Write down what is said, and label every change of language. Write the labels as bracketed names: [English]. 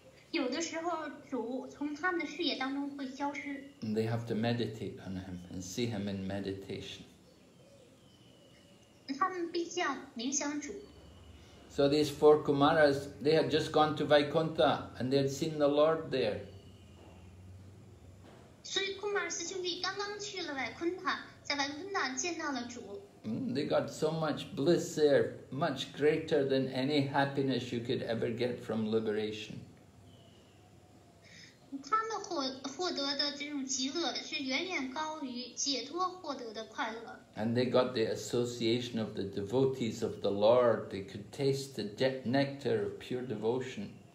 [Chinese] 有的时候主从他们的视野当中会消失。 [English] They have to meditate on him and see him in meditation. [Chinese] 他们必须要冥想主。 [English] So these four Kumaras, they had just gone to Vaikuntha and they had seen the Lord there. [Chinese] 所以库马尔斯兄弟刚刚去了Vaikuntha，在Vaikuntha见到了主。 [English] They got so much bliss there, much greater than any happiness you could ever get from liberation. [Chinese] 他们获得的这种极乐是远远高于解脱获得的快乐。 [English] And they got the association of the devotees of the Lord. They could taste the nectar of pure devotion.